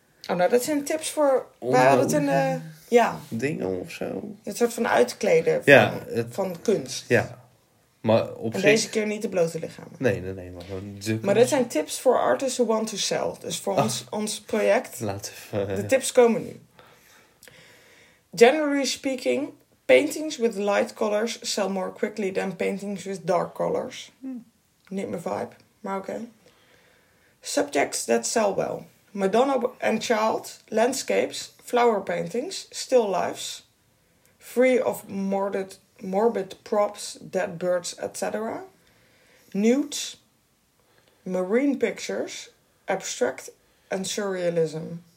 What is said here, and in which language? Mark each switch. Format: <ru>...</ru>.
<nl>Oh, nou, dat zijn tips voor. Waar hadden we het in de. Ja. Dingen of zo. Het soort van uitkleden van, ja, van kunst. Ja. Maar op en zich. Deze keer niet de blote lichamen. Nee. Maar gewoon de. Maar dit zijn tips voor</nl> <en>artists who want to sell.</en> <nl>Dus voor ons project. Laat even. De tips komen nu.</nl> <en>Generally speaking, paintings with light colors sell more quickly than paintings with dark colors. Hmm.</en> <nl>Niet mijn vibe, maar oké. Okay.</nl> <en>Subjects that sell well. Madonna and Child, landscapes, flower paintings, still lifes, free of morbid props, dead birds, etc. Nudes, marine pictures, abstract and surrealism.</en>